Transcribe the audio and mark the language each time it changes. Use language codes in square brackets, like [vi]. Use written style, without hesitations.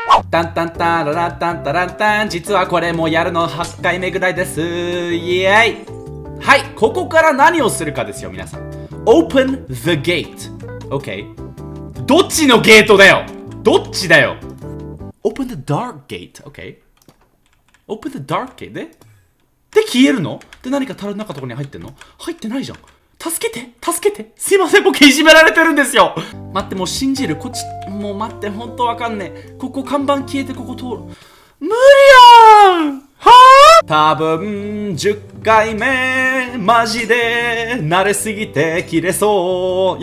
[ja] タンタンタララタンタランタン、実はこれもうやるの8回目ぐらいです。イエーイ。はい、ここから何をするかですよ皆さん。 [en] Open the gate。 [ja] OK、 どっちのゲートだよ、どっちだよ。 [en] Open the dark gate。 [ja] OK、 [en] Open the dark gate [ja] で、で、消えるの？で、何か樽の中とかに入ってんの？入ってないじゃん。助けて、助けて。すいません、僕いじめられてるんですよ。待って、もう信じる。こっち、もう待って、ほんとわかんねえ。ここ、看板消えてここ通る。無理やん！はぁ？多分、10回目、マジで、慣れすぎて、切れそう。